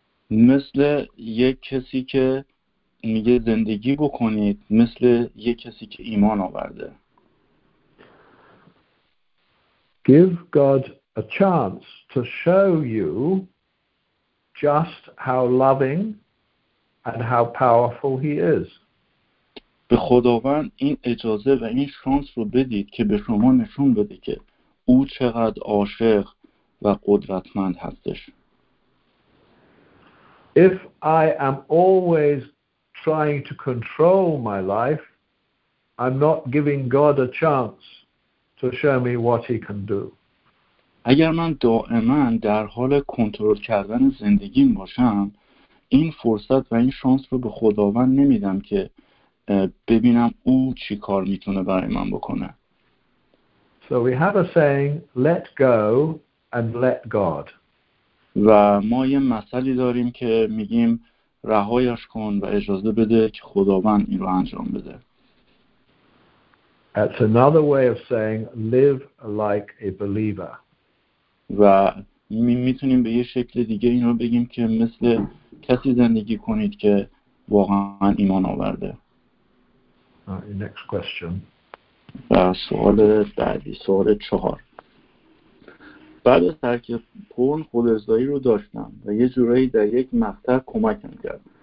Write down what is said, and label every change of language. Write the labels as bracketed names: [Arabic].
[Persian] مثل یک کسی که میگه زندگی بکنید مثل یک کسی که ایمان آورده. [English] Give God a chance to show you just how loving and how powerful he is. [Persian] به خداوند این اجازه و این شانس رو بدید که به شما نشون بده که او چقدر عاشق و قدرتمند هستش. [English] If I am always trying to control my life, I'm not giving God a chance to show me what he can do. [Persian] اگر من دائما در حال کنترل کردن زندگیم باشم، این فرصت و این شانس رو به خداوند نمیدم که ببینم او چی کار میتونه برای من بکنه. [English] So we have a saying, let go and let God. [Persian] و ما یه مثلی داریم که میگیم رهایش کن و اجازه بده که خداوند این رو انجام بده. [English] That's another way of saying live like a believer. [Persian] و میتونیم به یه شکل دیگه این رو بگیم که مثل کسی زندگی کنید که واقعا ایمان آورده. [English] Next question. [Persian] و سوال بعدی، سوال چهار. بعد از ترک پرن خودارضایی رو داشتم و یه جورایی در یک مقطع کمکم کرد.